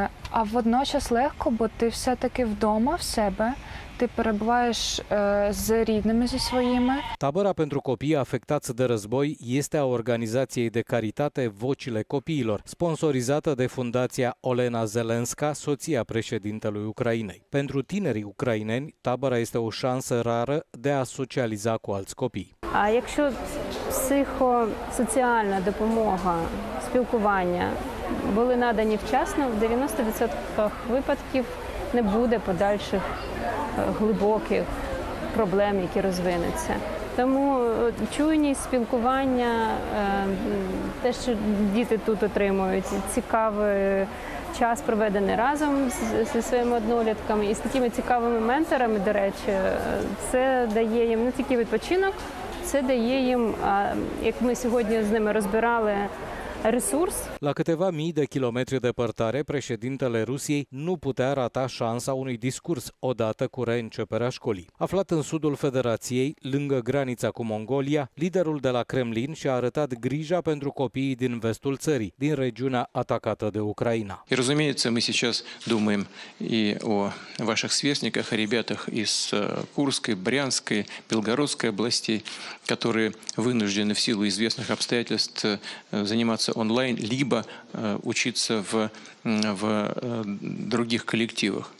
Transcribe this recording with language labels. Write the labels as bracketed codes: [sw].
[uk] А водночас легко, бо ти все-таки вдома в себе. Ти перебуваєш з рідними, зі своїми. [ro] Tabăra pentru copii afectați de război este a organizației de caritate Vocile Copiilor, sponsorizată de Fundația Olena Zelenska, soția președintelui Ucrainei. Pentru tinerii ucraineni, tabăra este o șansă rară de a socializa cu alți copii. [uk] А якщо психосоціальна допомога, спілкування були надані вчасно, в 90% випадків не буде подальших глибоких проблем, які розвинуться. Тому чуйність, спілкування, те, що діти тут отримують, цікавий час, проведений разом зі своїми однолітками і з такими цікавими менторами, до речі, це дає їм не тільки відпочинок, це дає їм, як ми сьогодні з ними розбирали, resurs. [ro] La câteva mii de kilometri depărtare, președintele Rusiei nu putea rata șansa unui discurs odată cu reînceperea școlii. Aflat în sudul federației, lângă granița cu Mongolia, liderul de la Kremlin și-a arătat grija pentru copiii din vestul țării, din regiunea atacată de Ucraina. [ru] И разумеется, мы сейчас думаем и о ваших сверстниках, о ребятах из Курской, Брянской, Белгородской областей, которые вынуждены в силу известных обстоятельств заниматься онлайн, либо учиться в других коллективах.